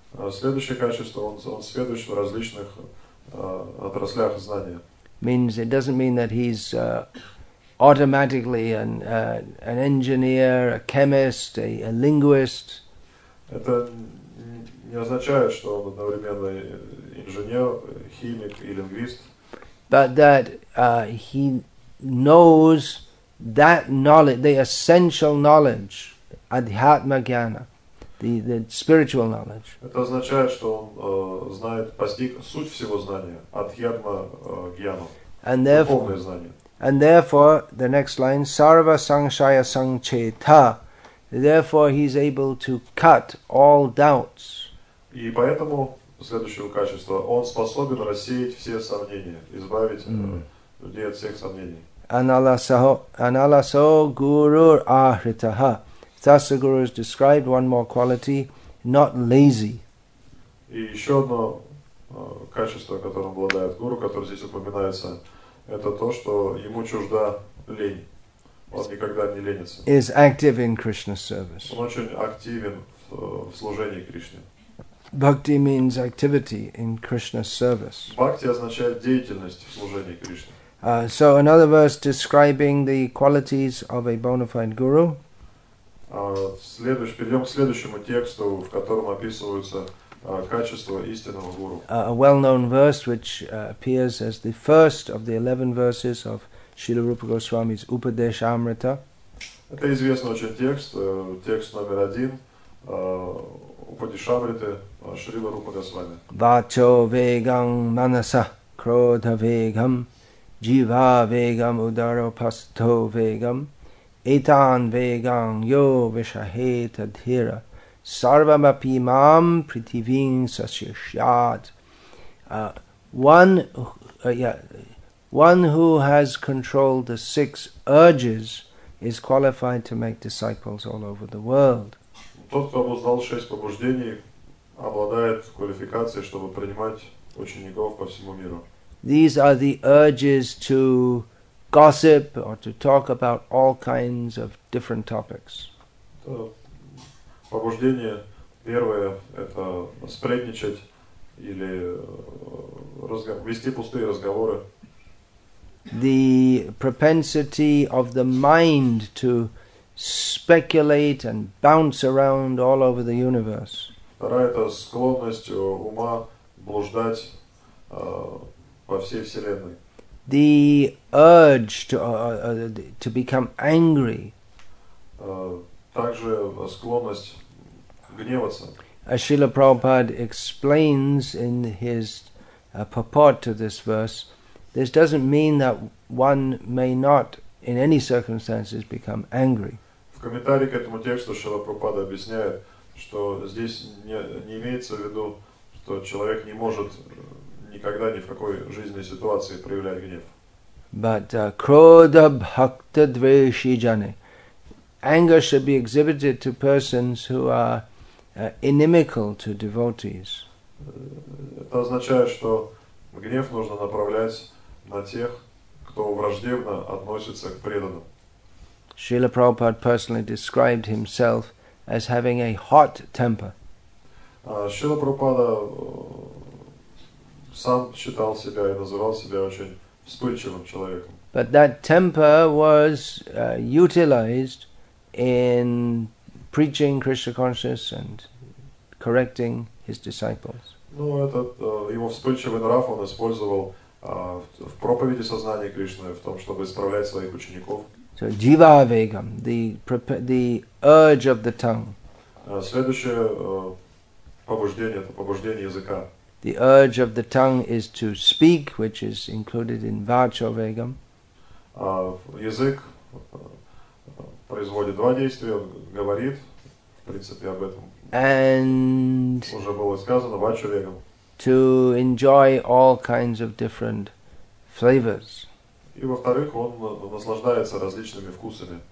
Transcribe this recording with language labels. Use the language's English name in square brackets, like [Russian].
[Russian] Следующее качество, он сведущ в различных отраслях знания. [English] Means it doesn't mean that he's automatically an engineer, a chemist, a linguist. [Russian] Это не означает, что он одновременно инженер, химик и лингвист. [English] But that he knows that knowledge, the essential knowledge, adhyatma jnana, the spiritual knowledge. [Russian] Это означает, что он знает, постиг суть всего знания, адхьятма гьяна, духовное знание. [English] And therefore, the next line, [Sanskrit] sarva sangshaya sangcheta, [English] therefore he's able to cut all doubts. [Russian] И поэтому, следующего качества, он способен рассеять все сомнения, избавить людей от всех сомнений. [Sanskrit] Analaso gurur ahritaha. [English] Thus the guru is described, one more quality, not lazy. [Russian] И еще одно качество, которым обладает гуру, которое здесь упоминается, это то, что ему чужда лень. Он никогда не ленится. [English] Is active in Krishna's service. [Russian] Он очень активен в служении Кришне. [English] Bhakti means activity in Krishna's service. [Russian] Bhakti означает деятельность в служении Кришне. [English] So another verse describing the qualities of a bona fide guru. [Russian] Следующий перейдем к следующему тексту, в котором описываются качество истинного гуру. [English] A well-known verse which appears as the first of the 11 verses of Śrīla Rūpa Gosvāmī's Upadeśāmṛta. [Russian] Это известный очень текст, текст номер один Упадешамриты Шрила Рупа Госвами. [Sanskrit] Вачо вегам манаса кродха вегам джива вегам ударо пасто вегам этан вегам йо вишахета дхира сарвам апи мам притивин сашишят. [English] One who has controlled the six urges is qualified to make disciples all over the world. [Russian] Тот, кто обуздал шесть побуждений, обладает квалификацией, чтобы принимать учеников по всему миру. [English] These are the urges to gossip or to talk about all kinds of different topics. [Russian] Побуждение первое – это сплетничать или вести пустые разговоры. [English] The propensity of the mind to speculate and bounce around all over the universe. [Russian] Вторая – это склонность ума блуждать по всей вселенной. [English] The urge to become angry. [Russian] Также склонность гневаться. [English] As Srila Prabhupada explains in his purport to this verse, this doesn't mean that one may not, in any circumstances, become angry. [Russian] В комментарии к этому тексту Шрила Прабхупада объясняет, что здесь не имеется в виду, что человек не может никогда ни в какой жизненной ситуации проявлять гнев. [Sanskrit] But krodha bhakta dveshi jane. [English] Anger should be exhibited to persons who are inimical to devotees. [Russian] Это означает, что гнев нужно направлять на тех, кто враждебно относится к преданным. [English] Srila Prabhupada personally described himself as having a hot temper. [Russian] Srila Prabhupada сам считал себя и называл себя очень вспыльчивым человеком. [English] But that temper was utilized in preaching Krishna consciousness and correcting his disciples. [Russian] Ну, его вспыльчивый нрав он использовал в проповеди сознания Кришны, в том, чтобы исправлять своих учеников. [English] So, jiva vegam, the urge of the tongue. [Russian] Следующее побуждение – это побуждение языка. [English] The urge of the tongue is to speak, which is included in vacho vegam. [Russian] Язык производит два действия, говорит, в принципе, об этом. [English] And [Russian] уже было сказано, vacho vegam. [English] To enjoy all kinds of different flavors. [Russian] И во-вторых, он наслаждается различными вкусами.